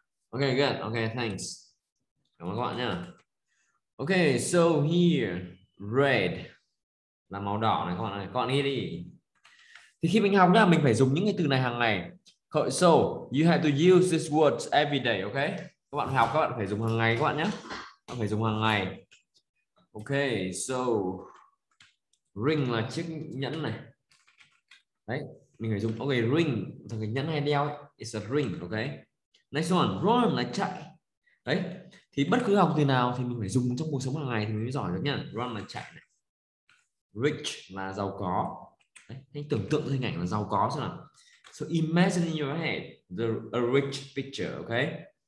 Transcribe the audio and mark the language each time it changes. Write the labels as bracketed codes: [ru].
[en] Okay, good. Okay, thanks. [vi] Cảm ơn các bạn nha. [en] Okay, so here. [vi] Red là màu đỏ này các bạn ơi, các bạn nghĩ đi. Thì khi mình học nha, mình phải dùng những cái từ này hàng ngày. [en] So you have to use these words every day, okay? [vi] Các bạn học các bạn phải dùng hàng ngày các bạn nhé. Các bạn phải dùng hàng ngày. Okay, so ring là chiếc nhẫn này. Đấy, mình phải dùng. Okay, ring thằng cái nhẫn hay đeo ấy. [en] It's a ring, okay? [vi] Next one, run là chạy. Đấy. Thì bất cứ học từ nào thì mình phải dùng trong cuộc sống hàng ngày thì mình mới giỏi được nhá. Run là chạy này. Rich là giàu có. Đấy, hãy tưởng tượng hình ảnh là giàu có xem nào. [en] So imagine in your head the a rich picture, okay?